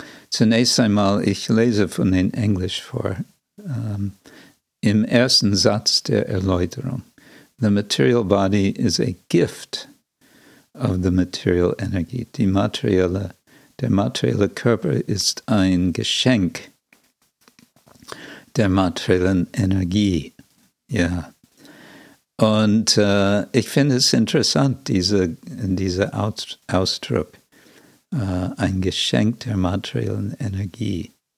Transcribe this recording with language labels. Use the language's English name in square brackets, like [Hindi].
[German] Zunächst einmal, ich lese von den Englisch vor. Im ersten Satz der Erläuterung. [English] The material body is a gift of the material energy. [German] Der materielle Körper ist ein Geschenk der materiellen Energie. Ja. Und ich finde es interessant, dieser Ausdruck, ein Geschenk der materiellen Energie.